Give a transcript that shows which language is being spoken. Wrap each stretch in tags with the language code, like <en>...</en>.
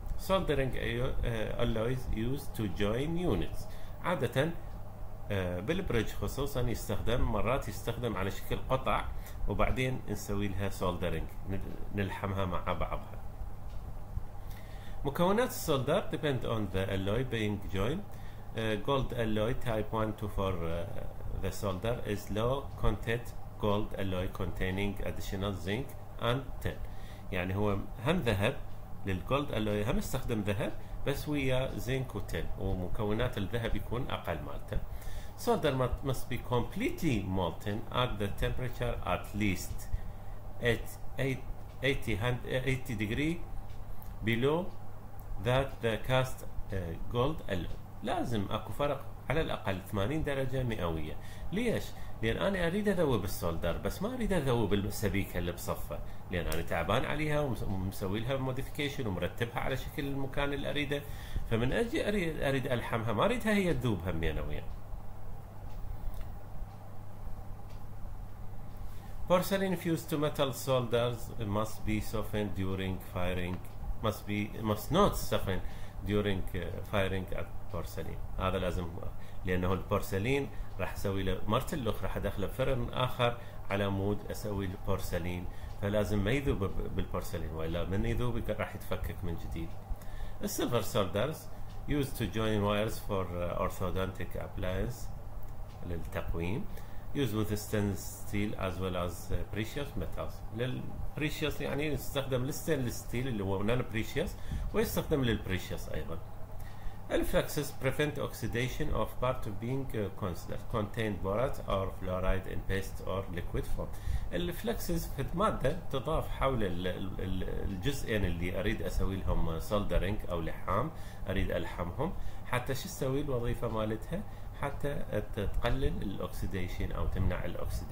<en>Soldering alloys used to join units.</en> <ar>عادة بالبريدج خصوصا يستخدم، مرات يستخدم على شكل قطع وبعدين نسوي لها soldering، نلحمها مع بعضها. مكونات السولدر</ar> <en>depend on the alloy being joined. Gold alloy type 1 to 4 the solder is low content gold alloy containing additional zinc and tin.</en> <ar>يعني هو هم ذهب للجولد الوي، هم استخدم ذهب بس ويا زنك وتن، ومكونات الذهب يكون اقل مالته.</ar> <en>So there must be completely molten at the temperature at least at 80 degrees below that the cast gold alloy.</en> <ar>لازم اكو فرق على الاقل 80 درجه مئويه. ليش؟ لان انا اريد اذوب السولدر بس ما اريد اذوب السبيكه اللي بصفه، لان انا تعبان عليها ومسوي لها موديفيكيشن ومرتبها على شكل المكان اللي اريده، فمن اجي اريد الحمها ما اريدها هي تذوب هم مئويه.</ar> <en>Porcelain fused to metal solders must be softened during firing. Must not soften during firing at porcelain.</en> <ar>هذا لازم، لأنه البورسلين راح أسوي له مرتل الأخرى، راح أدخله فرن آخر على مود أسوي البورسلين، فلازم ما يذوب بالبورسلين، وإلا من يذوب راح يتفكك من جديد.</ar> <en>Silver solders used to join wires for orthodontic appliance للتقويم. Used with stainless steel as well as precious metals.</en> <ar>للبريشيوس يعني يستخدم للستينلس ستيل اللي هو نان بريشيوس، ويستخدم للبريشيوس ايضا.</ar> <en>الفلكسس prevent oxidation of part being considered contained borate or fluoride in paste or liquid form.</en> <ar>الفلكسس ماده تضاف حول الجزئين اللي اريد اسوي لهم سولدرنج او لحام، اريد الحمهم حتى شو تسوي الوظيفه مالتها، حتى تقلل الاكسديشن او تمنع الاكسديشن.</ar>